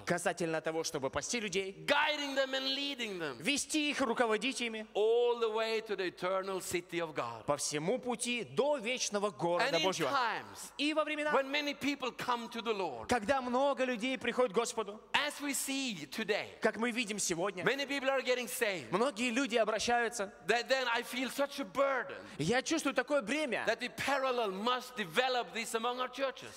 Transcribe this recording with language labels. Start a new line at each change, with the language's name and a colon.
Russian: Касательно того, чтобы пасти людей.
English: Guiding them and leading them.
Russian: Вести их, руководить ими.
English: All the way to the eternal city of God.
Russian: По всему пути до вечного города Божьего.
English: And in times.
Russian: И во времена.
English: When many people come to the Lord.
Russian: Когда много людей приходит Господу.
English: As we see today,
Russian: как мы видим сегодня,
English: many people are getting saved,
Russian: многие люди обращаются.
English: That then I feel such a burden,
Russian: я чувствую такое бремя,
English: that the parallel must develop this among our churches,